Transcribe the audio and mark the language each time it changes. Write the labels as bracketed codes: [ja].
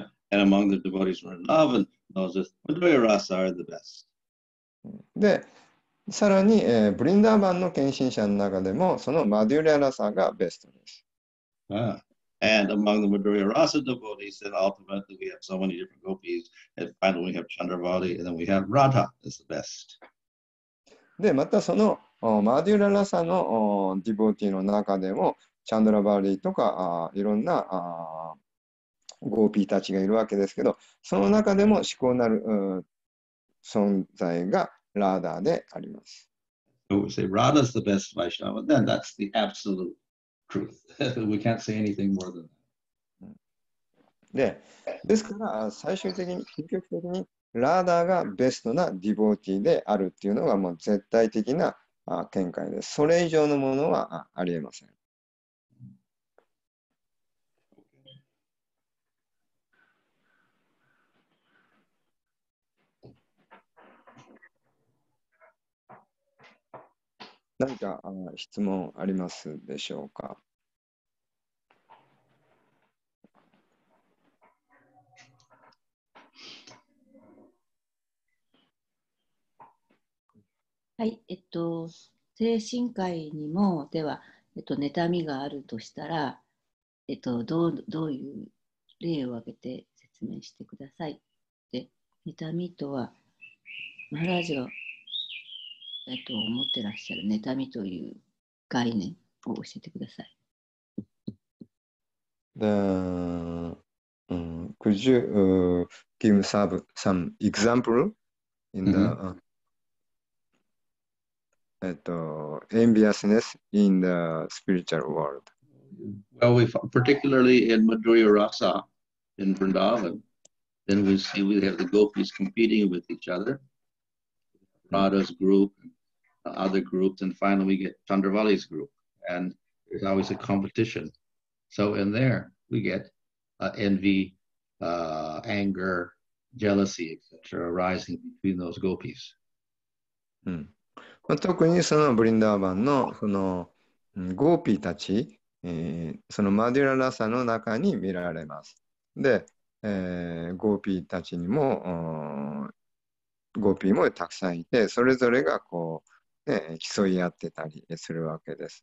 [en] And among the devotees of Vrindavan, those with Madhurya Rasa are the best. [ja] で、さらに、ブリンダーバンの献身者の中でも、そのマデュリアラサがベストです。 [en] And among the Madhurya Rasa devotees, then ultimately we have so many different gopis, and finally we have Chandravali, and then we have Radha as the best. [ja] で、またそのマデュリアラサのディボーティーの中でも、チャンドラバリーとかいろんなゴーピーたちがいるわけですけど、その中でも至高なる存在がラーダーであります。 [en] So we say Radha's the best Vaishnava, then that's the absolute truth. We can't say anything more than that. [ja] で、ですから最終的に、究極的にラーダーがベストなディボーティーであるっていうのがもう絶対的な見解です。それ以上のものはありえません。何か質問ありますでしょうか。はい、精神界にもでは、妬みがあるとしたら、どういう例を挙げて説明してください。で、妬みとはマハラージが思ってらっしゃる妬みという概念を教えてください。 [en] The, could you give some example in the、enviousness in the spiritual world? Well, we found, particularly in Madhurya Rasa in Vrindavan, then we see we have the gopis competing with each other, Radha's group. Other groups, and finally we get Chandravali's group, and there's always a competition. So in there, we get envy, anger, jealousy, etc. arising between those gopis. [ja] まあ、特にそのブリンダーバンのそのゴーピーたち、そのマデュララサの中に見られます。で、ゴーピーたちにも、ゴーピーもたくさんいて、それぞれがこう、ね、競い合ってたりするわけです。